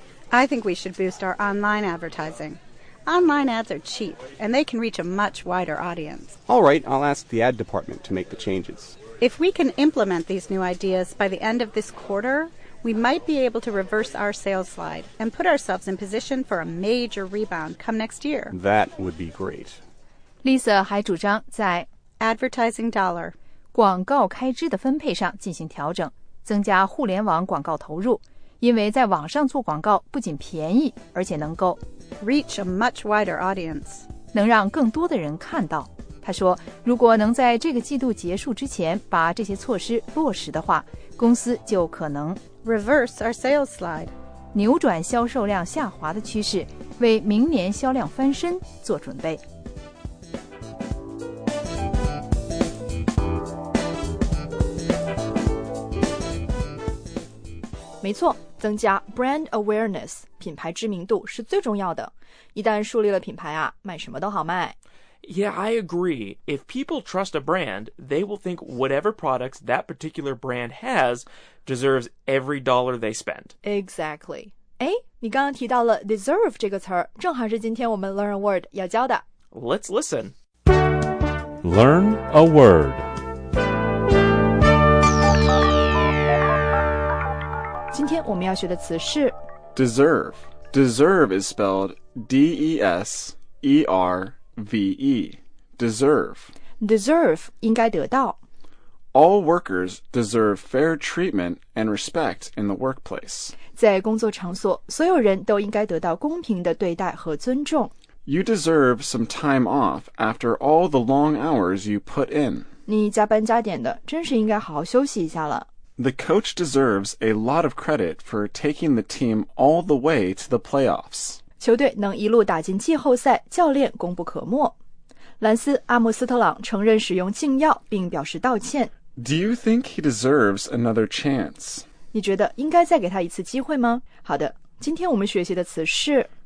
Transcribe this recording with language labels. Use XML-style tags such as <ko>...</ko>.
<en>I think we should boost our online advertising. Online ads are cheap, and they can reach a much wider audience. All right, I'll ask the ad department to make the changes. If we can implement these new ideas by the end of this quarter, we might be able to reverse our sales slide and put ourselves in position for a major rebound come next year. That would be great.</en> <zh>Lisa 还主张在</zh> <en>advertising dollar</en> <zh>广告开支的分配上进行调整，增加互联网广告投入，因为在网上做广告不仅便宜，而且能够</zh> <en>reach a much wider audience，</en> <zh>能让更多的人看到。他说，如果能在这个季度结束之前把这些措施落实的话，公司就可能</zh> <en>reverse our sales slide，</en> <zh>扭转销售量下滑的趋势，为明年销量翻身做准备。没错，增加 brand awareness，品牌知名度是最重要的。一旦树立了品牌啊，卖什么都好卖。</zh> <en>Yeah, I agree. If people trust a brand, they will think whatever products that particular brand has deserves every dollar they spend.</en> <zh>Exactly. 哎，你刚刚提到了 deserve 这个词儿，正好是今天我们 learn a word 要教的。</zh> <en>Let's listen. Learn a word.</en> <zh>今天我们要学的词是</zh> <en>deserve. Deserve is spelled D-E-S-E-R-V-E, deserve.</en> <zh>Deserve, 应该得到。</zh> <en>All workers deserve fair treatment and respect in the workplace.</en> <zh>在工作场所，所有人都应该得到公平的对待和尊重。</zh> <en>You deserve some time off after all the long hours you put in.</en> <zh>你加班加点的，真是应该好好休息一下了。</zh> <en>The coach deserves a lot of credit for taking the team all the way to the playoffs.</en> <zh>球队能一路打进季后赛，教练功不可没。兰斯·阿姆斯特朗承认使用禁药，并表示道歉。</zh> <en>Do you think he deserves another chance?</en> <zh>你觉得应该再给他一次机会吗？好的，今天我们学习的词是</zh>